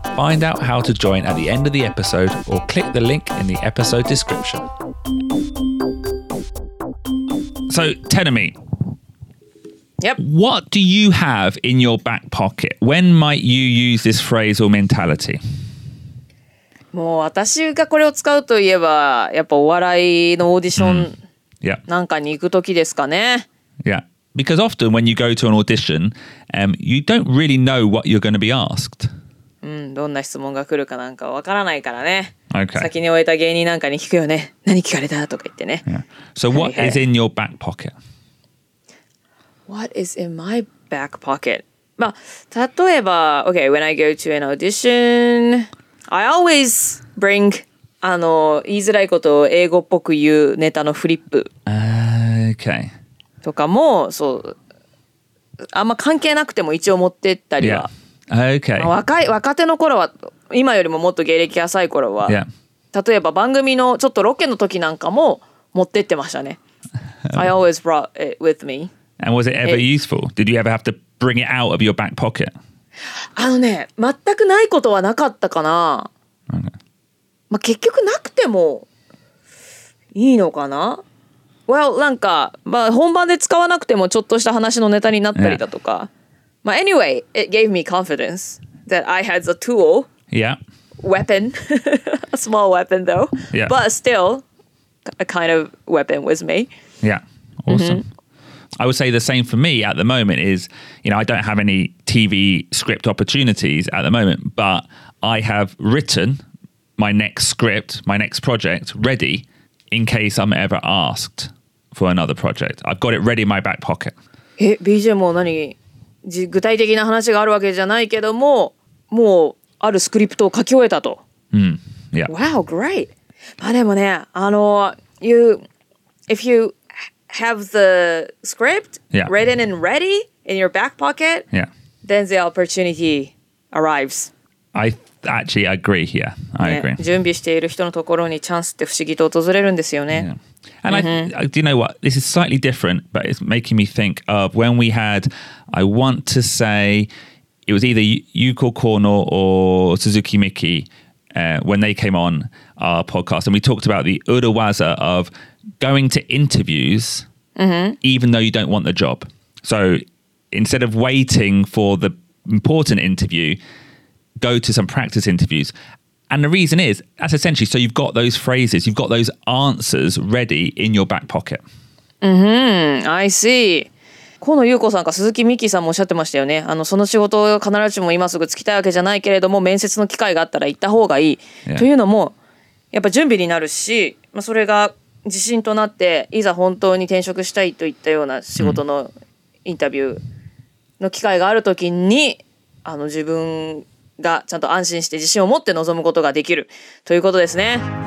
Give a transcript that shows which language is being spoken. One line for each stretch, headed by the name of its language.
English: Find out how to join at the end of the episode or click the link in the episode description. So, Tenami, Yep. What do you have in your back pocket? When might you use this phrase or mentality?
Japanese: もう私がこれを使うといえば、やっぱお笑いのオーディションなんかに行くときですかね。
English: Yeah. Because often when you go to an audition, you don't really know what you're going to be asked.
Japanese: うん、どんな質問が来るかなんかわからないからね。
English: Okay.
Japanese: 先に終えた芸人なんかに聞くよね。何聞かれたとか言ってね。
English: Yeah. So what is in your back pocket? What is in my back pocket?
Japanese: まあ、例えば、
English: okay, when I go to an audition, I always bring,
Japanese: あの、言いづらいことを英語っぽく言うネタのフリップ。
English: Okay.
Japanese: とかも、そう、あんま関係なくても一応持ってったりは、
English: yeah. Okay.
Japanese: 若手の頃は、今よりももっと芸歴浅い頃は、
English: yeah.
Japanese: 例えば番組のちょっとロケの時なんかも持ってってましたね。
English: I always brought it with me. And was it ever useful? Did you ever have to bring it out of your back pocket?
Japanese: あのね、全くないことはなかったかな。まあ、結局なくてもいいのかな。 Well, なんか、まあ、本番で使わなくてもちょっとした話のネタになったりだとか。
English: Yeah.
Japanese: まあ、
English: anyway, it gave me confidence that I had the tool. Yeah. Weapon. A small weapon, though. Yeah. But still, a kind of weapon with me. Yeah. Awesome. Mm-hmm. I would say the same for me at the moment is, you know, I don't have any TV script opportunities at the moment, but I have written my next script, my next project ready. In case I'm ever asked for another project. I've got it ready in my back pocket.
Japanese: BJ も何具体的な話があるわけじゃないけども、もうあるスクリプトを書き終えたと。
English: Mm. Yeah. Wow, great.
Japanese: まあでもね、あの、
English: you, if you have the script yeah. written and ready in your back pocket, yeah. then the opportunity arrives. Actually, I agree here. Yeah, I agree.
Japanese: 準備している人のところにチャンスって不思議と訪れるんですよね。
English: Yeah. And I do you know what? This is slightly different, but it's making me think of when we had, I want to say, it was either Yuko Kono or Suzuki Miki, when they came on our podcast, and we talked about the urawaza of going to interviews, even though you don't want the job. So instead of waiting for the important interview,go to some practice interviews. And the reason is, that's essentially, so you've got those phrases, you've got those answers ready in your back pocket. Mm-hmm. I see.
Japanese: 河野優子さんか鈴木美希さんもおっしゃってましたよね。あの、その仕事を必ずしも今すぐつきたいわけじゃないけれども、面接の機会があったら行った方がいい。
English: Yeah.
Japanese: というのも、やっぱ準備になるし、まあ、それが自信となって、いざ本当に転職したいといったような仕事のインタビューの機会があるときに、あの、自分、がちゃんと安心して自信を持って臨むことができるということですね。